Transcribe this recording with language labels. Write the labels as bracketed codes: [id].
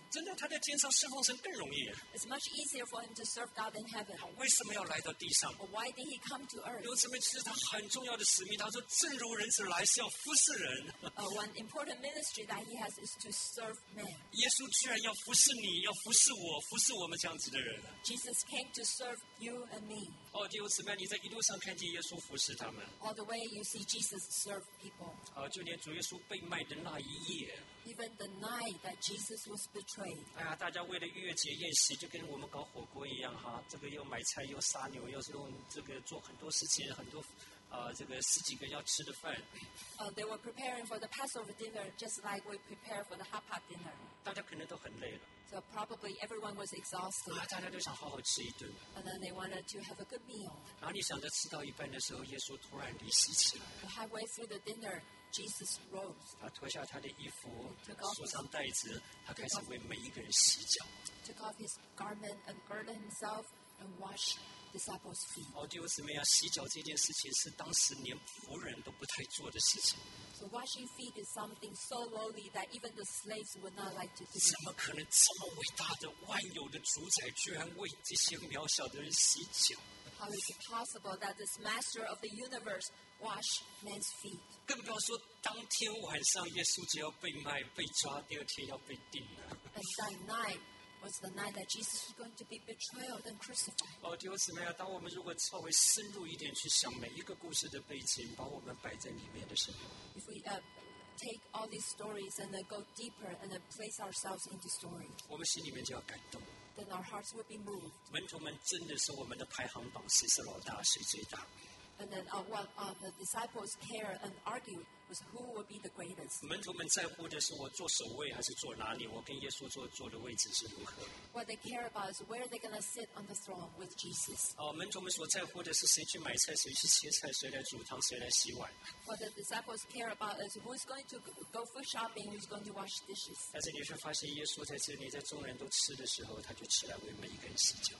[zh] 真的，他在天上侍奉神更容易。 [en] It's much easier for him to serve God in heaven. [zh] 为什么要来到地上？ [en] But why did he come to earth? [zh] 有什么是他很重要的使命？他说，正如人子来是要服侍人。 [en] One important ministry that he has is to serve man. [zh] 耶稣居然要服侍你，要服侍我，服侍我们这样子的人。 [en] Jesus came to serve you and me. [zh] 哦，弟兄姊妹，你在一路上看见耶稣服侍他们。 [en] All the way you see Jesus serve people. [zh] 就连主耶稣被卖的那一夜。 [en] Even the night that Jesus was betrayed. [zh] 哎呀，大家为了逾越节宴席，就跟我们搞火锅一样哈，这个又买菜又杀牛，又是用这个做很多事情，很多这个十几个要吃的饭。 [en] They were preparing for the Passover dinner, just like we prepare for the Hapa dinner. [zh] 大家可能都很累了。 [en] So probably everyone was exhausted. [zh] 大家都想好好吃一顿。 [en] And then they wanted to have a good meal. [zh] 然后你想着吃到一半的时候，耶稣突然离席起来。 [en] But halfway through the dinner. Jesus rose. [zh] 他脱下他的衣服，锁上带子，他开始为每一个人洗脚。 [en] Took off his garment and girded himself and washed disciples' feet. [zh] 哦，弟兄姊妹啊，洗脚这件事情是当时连仆人都不太做的事情。 [en] So washing feet is something so lowly that even the slaves would not like to do. [zh] 怎么可能这么伟大的万有的主宰，居然为这些渺小的人洗脚？ [en] How is it possible that this master of the universe wash men's feet? [zh] 更不要说当天晚上耶稣就要被卖被抓，第二天要被钉了。 [en] And that night was the night that Jesus was going to be betrayed and crucified. [zh] 哦，弟兄姊妹啊，当我们如果稍微深入一点去想每一个故事的背景，把我们摆在里面的时候 [en] ，If we take all these stories and then go deeper and then place ourselves into story, [zh] 我们心里面就要感动。 [en] Then our hearts would be moved. [zh] 门徒们真的是我们的排行榜，谁是老大，谁最大。 [en] And then the disciples care and argue was who would be the greatest. [zh] 门徒们在乎的是我坐首位还是坐哪里？我跟耶稣坐的位置是如何 [en] ？What they care about is where they're gonna sit on the throne with Jesus. [zh] 门徒们所在乎的是谁去买菜，谁去切菜，谁来煮汤，谁来洗碗 [en] ？What the disciples care about is who's going to go for shopping, who's going to wash dishes. [zh] 但是你却发现耶稣在这里，在众人都吃的时候，他就起来为每一个人洗脚。